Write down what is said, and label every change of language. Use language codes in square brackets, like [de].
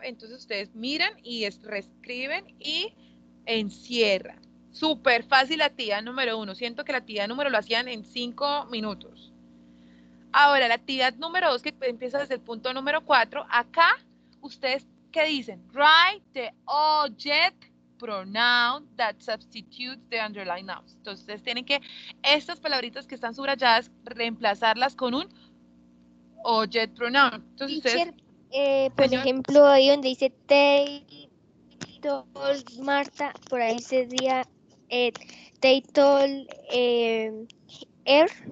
[es] Entonces ustedes miran y reescriben y encierran. Súper fácil la actividad número 1. Siento que la actividad número lo hacían en 5 minutos. Ahora, la actividad número 2, que empieza desde el punto número 4, acá, ¿ustedes qué dicen? [en] Write the object pronoun that substitutes the underlying nouns. [es] Entonces, ustedes tienen que, estas palabritas que están subrayadas, reemplazarlas con un object pronoun. Entonces, [en] teacher, [es] ustedes, por ¿señor? Ejemplo, ahí donde dice [en] they told Marta, [es] por ahí sería [en] they told her.